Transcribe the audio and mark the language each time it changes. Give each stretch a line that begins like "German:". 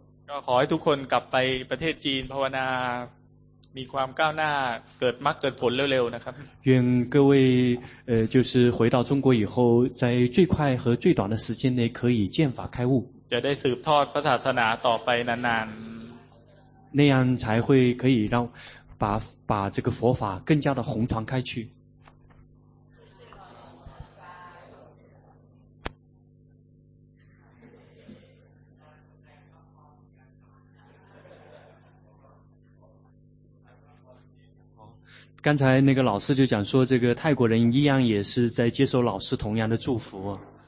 Thai: ก็ขอให้ทุกคนกลับไปประเทศจีนภาวนามีความก้าวหน้าเกิดมรรคเกิดผลเร็วๆนะครับ
Chinese: 愿各位就是回到中国以后在最快和最短的时间内可以见法开悟
Thai: จะได้สืบทอดพระศาสนาต่อไปนาน
Chinese: ๆ那样才会可以让把这个佛法更加的弘传开去刚才那个老师就讲说这个泰国人一样也是在接受老师同样的祝福